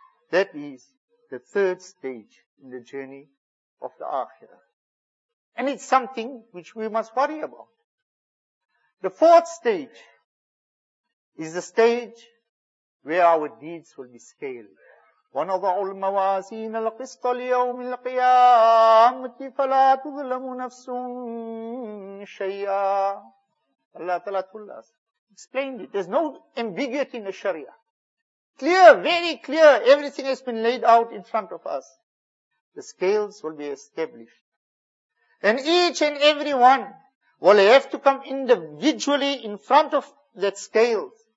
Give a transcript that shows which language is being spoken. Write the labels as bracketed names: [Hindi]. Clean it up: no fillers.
[English] That is the third stage in the journey of the Akhirah. And it's something which we must worry about. The fourth stage is the stage where our deeds will be scaled. [Arabic] ونضع الموازين القسط ليوم القيامة فلا تظلم نفس شيئا. [English] Allah Ta'ala told us, explained it. There's no ambiguity in the Sharia. Clear, very clear. Everything has been laid out in front of us. The scales will be established. And each and every one will have to come individually in front of that scale.